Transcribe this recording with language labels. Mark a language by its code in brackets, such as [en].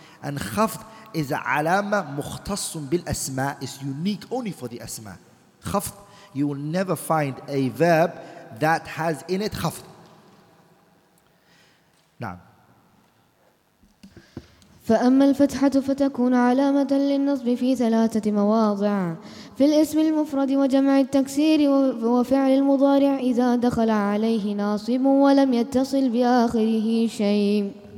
[en] And خفض is [ar] علامة مختص بالأسماء. [en] It's unique only for the أسماء. خفض, you will never find a verb that has in it خفض. [ar] نعم. فأما الفتحة فتكون علامة للنصب في ثلاثة مواضع, في الاسم المفرد وجمع التكسير وفعل المضارع إذا دخل عليه ناصب ولم يتصل بآخره شيء.